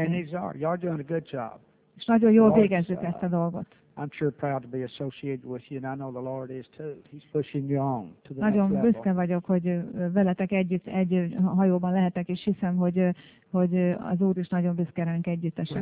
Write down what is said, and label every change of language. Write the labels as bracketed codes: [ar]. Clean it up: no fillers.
[en] And these are. You're doing a good job. [hu] És nagyon jól végezzük ezt a dolgot. [en] I'm sure proud to be associated with you, and I know the Lord is too. He's pushing you on to the next level. [hu] Nagyon büszke vagyok, hogy veletek együtt egy hajóban lehetek, és hiszem, hogy az Úr is nagyon büszke ránk együttesen.